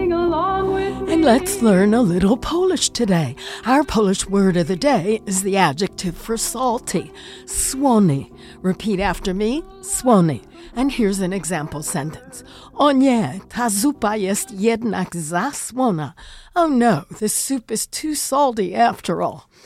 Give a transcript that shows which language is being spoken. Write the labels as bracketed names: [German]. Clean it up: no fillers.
[English] Let's learn a little Polish today. Our Polish word of the day is the adjective for salty, słony. Repeat after me, słony. And here's an example sentence. [Polish] O nie, ta zupa jest jednak za słona. [English] Oh no, the soup is too salty after all.